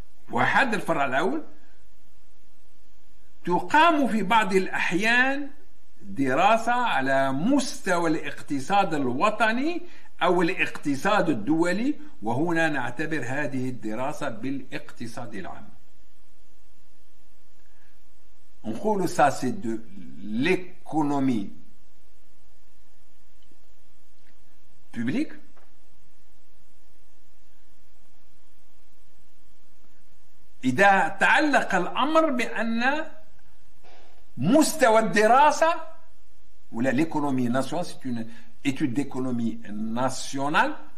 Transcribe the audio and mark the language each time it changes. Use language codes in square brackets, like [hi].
[ar] وحد الفرع الأول تقام في بعض الأحيان دراسة على مستوى الاقتصاد الوطني أو الاقتصاد الدولي، وهنا نعتبر هذه الدراسة بالاقتصاد العام. نقول [fr] ça c'est de l'économie publique. [ar] إذا تعلق الأمر بأن مستوى الدراسة ولا [fr] l'économie nationale c'est une étude d'économie nationale،